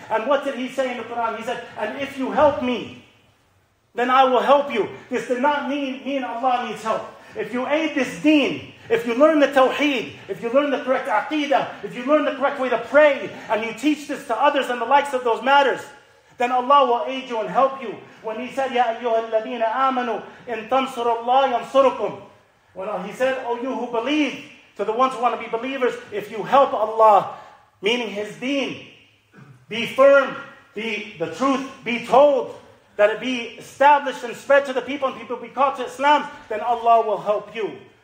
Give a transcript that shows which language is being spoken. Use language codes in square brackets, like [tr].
[en] And what did He say in the Quran? He said, and if you help me, then I will help you. This did not mean Allah needs help. If you aid this deen, if you learn the Tawheed, if you learn the correct Aqeedah, if you learn the correct way to pray, and you teach this to others and the likes of those matters, then Allah will aid you and help you. When He said, [ar] يَا أَيُّهَا الَّذِينَ آمَنُوا إِن تَنْصُرُ اللَّهِ يَنْصُرُكُمْ. [en] When He said, oh you who believe, to the ones who want to be believers, if you help Allah, meaning His deen, be firm, be the truth, be told, that it be established and spread to the people and people be called to Islam, then Allah will help you.